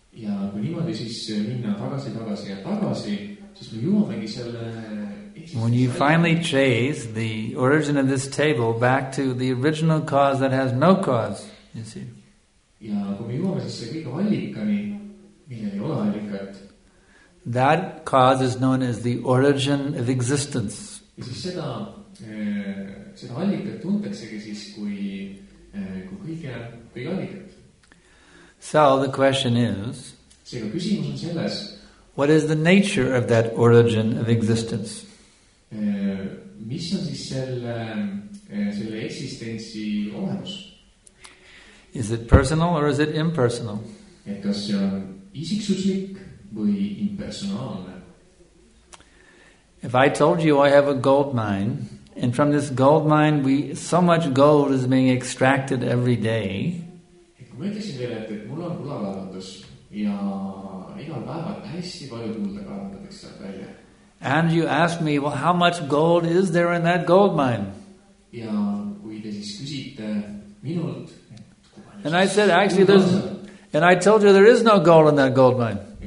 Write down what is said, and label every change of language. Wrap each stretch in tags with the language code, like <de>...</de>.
<et>Ja kui niimoodi siis minna tagasi, siis me jõuamegi selle.</et> <en>When you finally trace the origin of this table back to the original cause that has no cause, you see.</en> <et>Ja kui me jõuame siis see kõige allikani, mille ei ole allikat,</et> <en>That cause is known as the origin of existence.</en> <et>Ja siis seda allikat tuntaksegi siis kui kõige allikat.</et> <en>So the question is,</en> <et>seega küsimus on selles,</et> <en>what is the nature of that origin of existence?</en> <et>Mis on siis selle eksistentsi olemus?</et> <en>Is it personal or is it impersonal?</en> <et>Et kas see on isiksuslik või impersonaalne?</et> <en>If I told you I have a gold mine, and from this gold mine so much gold is being extracted every day.</en> <et>Et kui ma ütlesin teile, et mul on kulakaevandus ja igal päeval hästi palju kulda kaevandatakse sealt välja.</et> <en>And you ask me, well, how much gold is there in that gold mine?</en> <et>Ja kui te siis küsite minult,</et> <en>and I said, actually, there's. And I told you there is no gold in that gold mine.</en>